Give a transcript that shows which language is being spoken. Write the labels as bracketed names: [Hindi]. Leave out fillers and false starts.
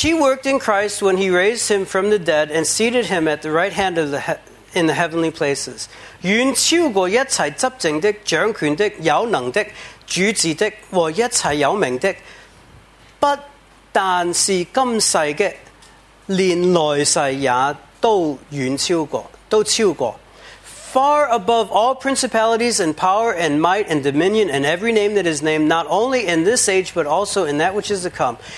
[English] he worked in Christ when he raised him from the dead and seated him at the right hand of in the heavenly places. [Chinese] 远超过一切执政的、掌权的、有能的、主治的和一切有名的，不但是今世的。连来世也都远超过。 [English] Far above all principalities and power and might and dominion and every name that is named, not only in this age but also in that which is to come.